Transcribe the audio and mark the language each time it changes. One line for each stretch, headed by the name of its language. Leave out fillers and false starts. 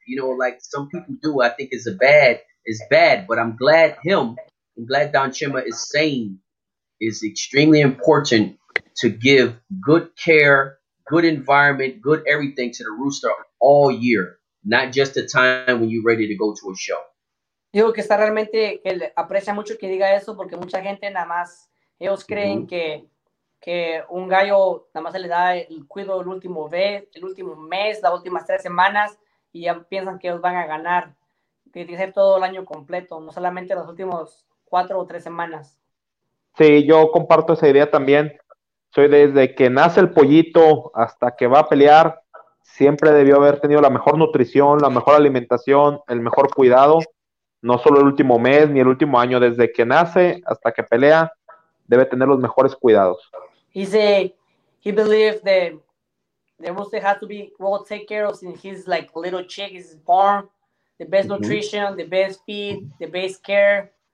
English: You know, like some people do. I think it's bad, but I'm glad him. I'm glad Don Chema is saying it's extremely important to give good care, good environment, good everything to the rooster all year, not just the time when you're ready to go to a show.
Spanish: Digo que está realmente, que él aprecia mucho que diga eso, porque mucha gente nada más, ellos creen que un gallo nada más se le da el cuido el último mes, las últimas 3 semanas, y ya piensan que ellos van a ganar. Que tiene que ser todo el año completo, no solamente los últimos 4 o 3 semanas. Sí, yo comparto esa idea también. Soy desde que nace el pollito hasta que va a pelear, siempre debió haber tenido la mejor nutrición, la mejor alimentación, el mejor cuidado, no solo el último mes ni el último año, desde que nace hasta que pelea, debe tener los mejores cuidados.
English: He said he believes that the rooster has to be well taken care of since he's like a little chick, he's born, the best nutrition, the best feed, the best care.